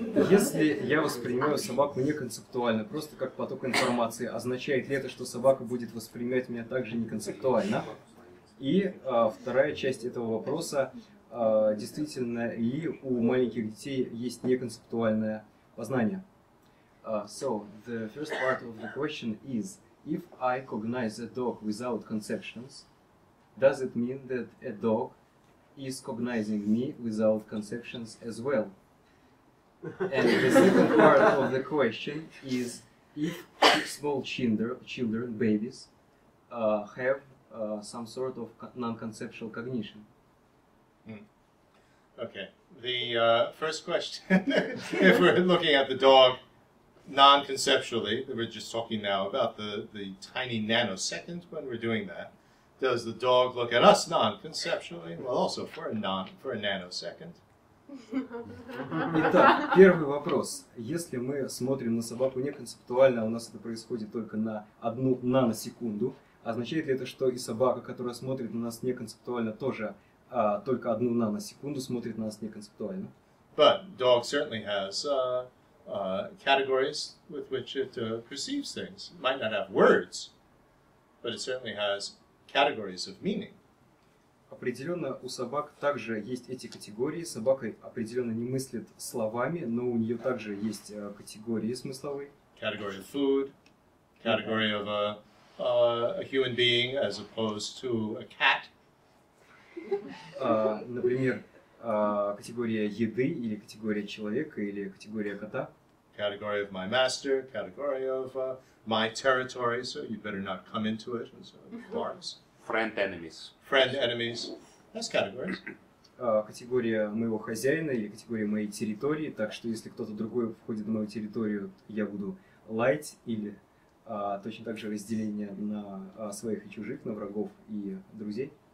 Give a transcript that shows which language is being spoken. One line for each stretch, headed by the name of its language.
Russian: Если я воспринимаю собаку не концептуально, просто как поток информации, означает ли это, что собака будет воспринимать меня также не концептуально? И вторая часть этого вопроса. Действительно ли у маленьких детей есть неконцептуальное познание?
English: So, the first part of the question is, if I cognize a dog without conceptions, does it mean that a dog is cognizing me without conceptions as well? And the second part of the question is, if small children, babies, have some sort of non-conceptual cognition? Hmm. Okay, the first question, if we're looking at the dog non-conceptually, we're just talking now about the tiny nanosecond when we're doing that. Does the dog look at us non-conceptually? Well, also for a nanosecond.
Russian: Итак, первый вопрос. Если мы смотрим на собаку неконцептуально, у нас это происходит только на одну наносекунду, означает ли это, что и собака, которая смотрит на нас неконцептуально, тоже только одну наносекунду смотрит на нас неконцептуально?
English: But dog certainly has categories with which it perceives things. It might not have words, but it certainly has categories of meaning.
Russian: Определенно, у собак также есть эти категории. Собака определенно не мыслит словами, но у нее также есть категории смысловые.
English: Category of food, category of a human being as opposed to a cat.
Russian: Например, категория еды или категория человека или категория кота.
English: Category of my master, category of my territory, so you better not come into it, and so forth. Friend enemies. That's categories.
Russian: Категория моего хозяина или категория моей территории, так что если кто-то другой входит на мою территорию, я буду лаять, или точно так же разделение на своих и чужих, на врагов и друзей.